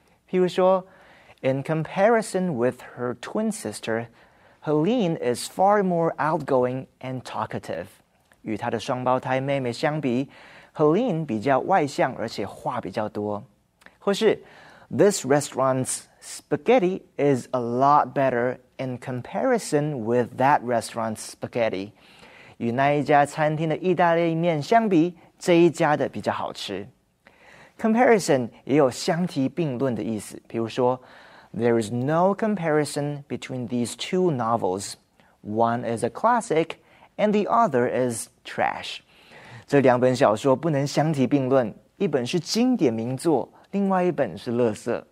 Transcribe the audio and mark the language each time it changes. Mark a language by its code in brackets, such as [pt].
[zh] 譬如说 [en] ,In comparison with her twin sister,Helene is far more outgoing and talkative. [zh] 与她的双胞胎妹妹相比 ,Helene 比较外向而且话比较多。或是 [en] ,This restaurant's spaghetti is a lot better in comparison with that restaurant's spaghetti. [zh] 与那一家餐厅的意大利面相比这一家的比较好吃。 [en] Comparison [zh] 也有相提并论的意思譬如说 [en] There is no comparison between these two novels. One is a classic, and the other is trash. [zh] 这两本小说不能相提并论。一本是经典名作，另外一本是垃圾。